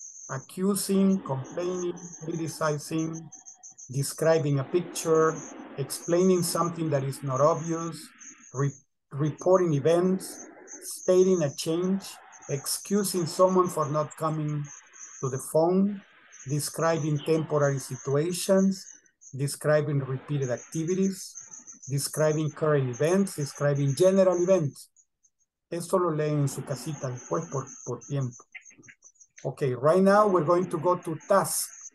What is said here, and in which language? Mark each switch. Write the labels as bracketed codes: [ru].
[en] Accusing, complaining, criticizing, describing a picture, explaining something that is not obvious, reporting events, stating a change, excusing someone for not coming to the phone, describing temporary situations, describing repeated activities, describing current events, describing general events. [es] Esto lo leen en su casita después por tiempo. [en] Okay, right now we're going to go to task.